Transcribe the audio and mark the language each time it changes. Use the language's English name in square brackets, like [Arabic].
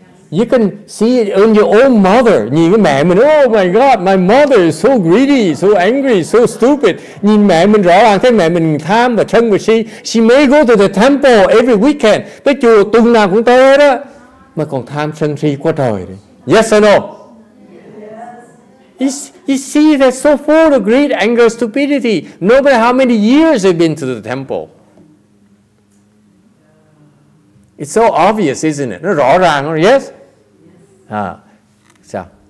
[English] You can see it on your own mother. [Vietnamese] Nhìn cái mẹ mình, [English] oh my God, my mother is so greedy, so angry, so stupid. [Vietnamese] Nhìn mẹ mình rõ ràng thấy mẹ mình tham và sân và si. [English] She may go to the temple every weekend. [Vietnamese] Tới chùa tuần nào cũng tới đó. Mà còn tham sân si quá trời. Đấy. [English] Yes or no? You see, they're so full of greed, anger, stupidity. No matter how many years they've been to the temple. It's so obvious, isn't it? [Vietnamese] Nó rõ ràng, [English] yes? Yes. À, sao?